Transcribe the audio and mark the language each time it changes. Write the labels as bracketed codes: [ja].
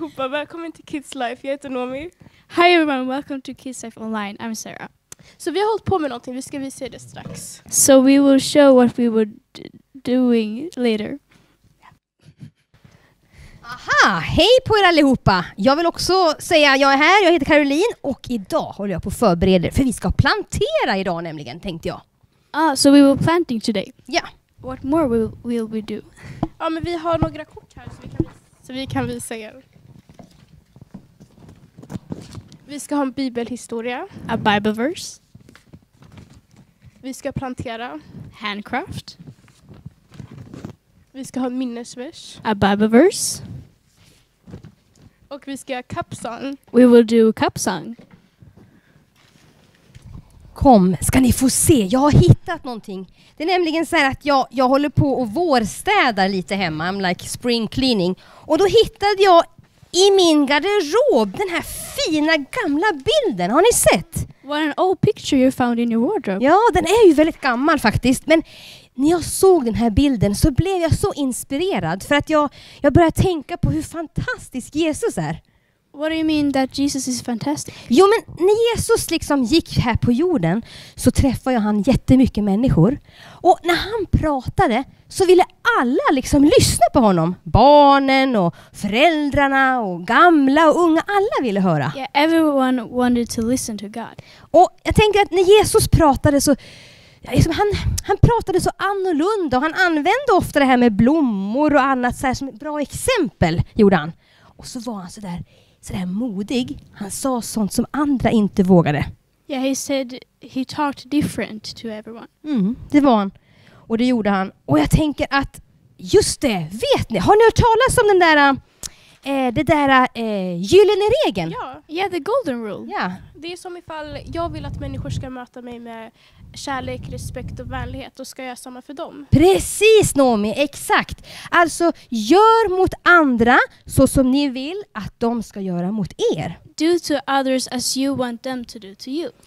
[sv] Välkommen till Kids Life. Jag heter Nomi. [en] Hi everyone, welcome to Kids Life Online. I'm Sarah. [sv] Så vi har hållit på med någonting. Vi ska visa det strax. [en] So we will show what we were doing later. [sv] Aha, hej på er allihopa. Jag vill också säga att jag är här. Jag heter Caroline och idag håller jag på att förbereda för vi ska plantera idag nämligen, tänkte jag. [en] So we were planting today. Yeah. What more will we do? [sv] Ja, men vi har några kort här så vi kan visa er. Vi ska ha en bibelhistoria. [en] A Bible verse. [sv] Vi ska plantera. [en] Handcraft. [sv] Vi ska ha en minnesvers. [en] A Bible verse. [sv] Och vi ska ha cup song. [en] We will do cup song. [sv] Kom, ska ni få se. Jag har hittat någonting. Det är nämligen så här att jag håller på och vårstädar lite hemma. [en] I'm like spring cleaning. [sv] Och då hittade jag i min garderob den här fina gamla bilden. Har ni sett? [en] What an old picture you found in your wardrobe. [sv] Ja, den är ju väldigt gammal faktiskt. Men när jag såg den här bilden så blev jag så inspirerad. För att jag började tänka på hur fantastisk Jesus är. [en] What do you mean that Jesus is fantastic? [sv] Jo, men när Jesus liksom gick här på jorden så träffade han jättemycket människor. Och när han pratade så ville alla liksom lyssna på honom. Barnen och föräldrarna och gamla och unga, alla ville höra. [en] Yeah, everyone wanted to listen to God. [sv] Och jag tänker att när Jesus pratade så han pratade så annorlunda och han använde ofta det här med blommor och annat så här som ett bra exempel, gjorde han. Och så var han så där modig. Han sa sånt som andra inte vågade. [en] Yeah, he said he talked different to everyone. [sv] Mm, det var han. Och det gjorde han. Och jag tänker att just det, vet ni, har ni hört talas om den där gyllene regeln? [en] Ja, yeah, the golden rule. Yeah. [sv] Det är som ifall jag vill att människor ska möta mig med kärlek, respekt och vänlighet, då ska jag göra samma för dem. Precis, Nomi, exakt. Alltså, gör mot andra så som ni vill att de ska göra mot er. [en] Do to others as you want them to do to you.